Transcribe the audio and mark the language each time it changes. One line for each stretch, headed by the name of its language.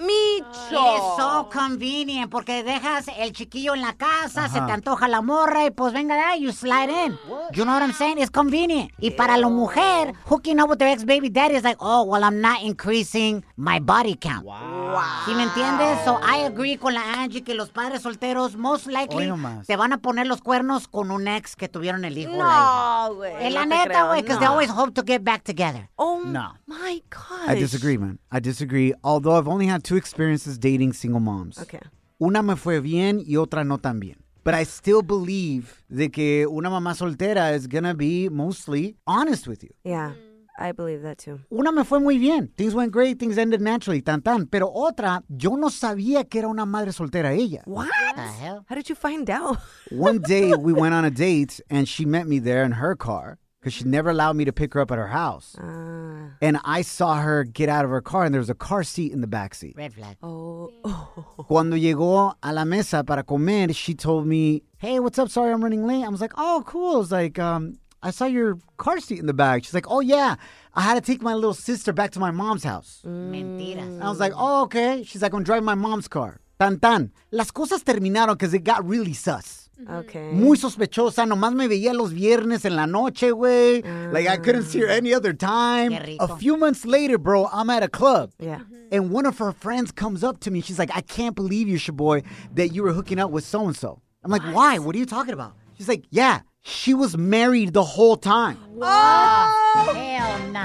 English: It is so convenient
Spanish: porque dejas el chiquillo en la casa, uh-huh. se te antoja la morra y pues venga,
English: you slide in. What? You know what I'm saying? It's convenient. Ew.
Spanish: Y para la mujer,
English: hooking up with their ex-baby daddy is like, oh, well, I'm not increasing my body count. Wow.
Spanish: ¿Sí me entiendes?
English: So I agree
Spanish: con la Angie que los padres solteros
English: most likely
Spanish: te van a poner los cuernos con un ex que tuvieron el hijo. No, güey. En la neta, güey,
English: because they always hope to get back together. Oh, no. My gosh. I disagree, man. I disagree. Although I've only had two experiences. experiences dating single moms. Okay.
Spanish: Una me fue bien y otra no tan bien.
English: But I still believe
Spanish: de que una mamá soltera
English: is going to be mostly honest with you. Yeah, I believe that too.
Spanish: Una me fue muy bien.
English: Things went great. Things ended naturally. Tan, tan.
Spanish: Pero otra, yo no sabía que era una madre soltera ella.
English: What? What the hell? How did you find out? One day we went on a date and she met me there in her car. Because she never allowed me to pick her up at her house. And I saw her get out of her car and there was a car seat in the back seat. Red flag. Oh.
Spanish: Cuando llegó a la mesa para comer,
English: she told me, hey, what's up? Sorry, I'm running late. I was like, oh, cool. It's like, I saw your car seat in the back. She's like, oh, yeah. I had to take my little sister back to my mom's house.
Spanish: Mentira.
English: I was like, oh, okay. She's like, I'm driving my mom's car. Tan, tan.
Spanish: Las cosas terminaron
English: because it got really sus. Okay.
Spanish: Muy sospechosa. Nomás me veía los viernes en la noche, güey.
English: Like, I couldn't see her any other time.
Spanish: Qué rico.
English: A few months later, bro, I'm at a club. Yeah. And one of her friends comes up to me. She's like, I can't believe you, Shaboy, that you were hooking up with so-and-so. I'm like, why? What are you talking about? She's like, yeah, she was married the whole time. What? Oh! Hell nah.